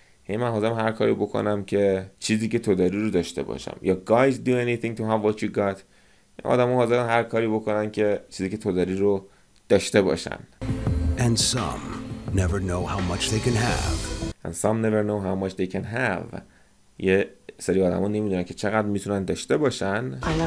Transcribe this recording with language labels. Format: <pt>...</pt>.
<fa>هی من حاضرم هر کاری بکنم که چیزی که تو داری رو داشته باشم. یا</fa> <en>guys do anything to have what you got.</en> <fa>آدم ها حاضرم هر کاری بکنن که چیزی که تو داری رو داشته باشن.</fa> <en>And some never know how much they can have. And some never know how much they can have.</en> <fa>یه سری آدم ها نمیدونن که چقدر میتونن داشته باشن.</fa>